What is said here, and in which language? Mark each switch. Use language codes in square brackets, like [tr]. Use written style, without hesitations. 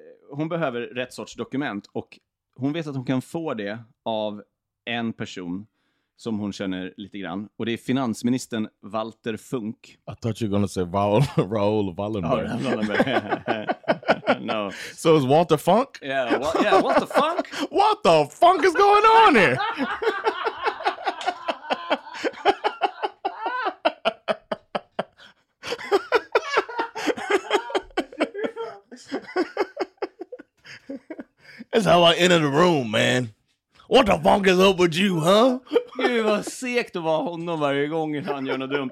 [sv] Hon behöver rätt sorts dokument. Och hon vet att hon kan få det av en person som hon känner lite grann. Och det är finansministern Walter Funk. [en] I thought you were going to say Raoul Wallenberg. Oh, Wallenberg. No. So it's Walter Funk? Yeah, Walter Funk? What the funk is going on here? That's how I entered the room, man. What the funk is up with you, huh? [sv] Gud, vad segt att vara honom varje gång han gör något dumt.